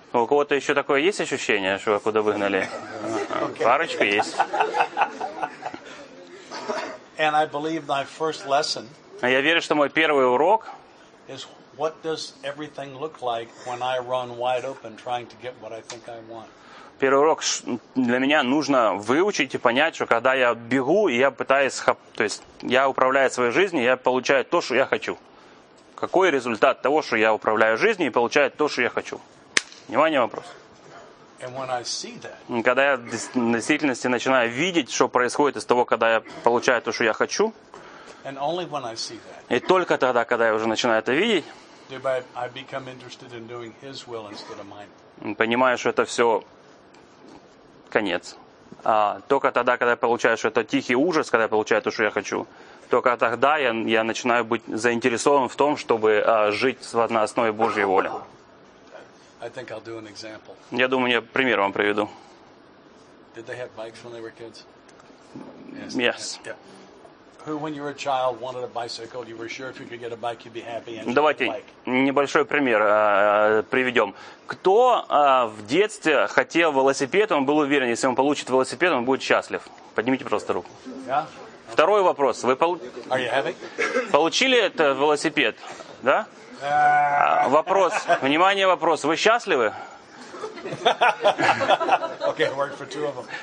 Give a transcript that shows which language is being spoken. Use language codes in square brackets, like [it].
[ru] У кого-то еще такое есть ощущение, что его куда выгнали? Okay. Парочка есть. [en] And I believe my first lesson. [ru] Я верю, что мой первый урок. [en] What does everything look like when I run wide open trying to get what I think I want? [ru] Первый урок для меня нужно выучить и понять, что когда я бегу и я пытаюсь, то есть я управляю своей жизнью, я получаю то, что я хочу. Какой результат того, что я управляю жизнью и получаю то, что я хочу? Внимание, вопрос. [en] And when I see that, [ru] когда я в действительности начинаю видеть, что происходит из того, когда я получаю то, что я хочу. [en] And only when I see that. [ru] И только тогда, когда я уже начинаю это видеть, [en] I become interested in doing his will instead of mine. [ru] Понимаю, что это все конец. Только тогда, когда я получаю, что это тихий ужас, когда я получаю то, что я хочу, только тогда я начинаю быть заинтересован в том, чтобы жить на основе Божьей воли. [en] I think I'll do an example. [ru] Я думаю, я пример вам приведу. [en] Did they have bikes when they were kids? Yes. Who, when you were a child, wanted a bicycle, you were sure if you could get a bike, you'd be happy. [ru] Давайте небольшой пример приведем. Кто в детстве хотел велосипед, он был уверен, если он получит велосипед, он будет счастлив. Поднимите просто руку. [en] Yeah? [ru] Второй вопрос. Вы [en] Are you happy? [ru] Получили этот велосипед, да? Вопрос. Внимание, вопрос. Вы счастливы? [en] Okay, it worked for two of them.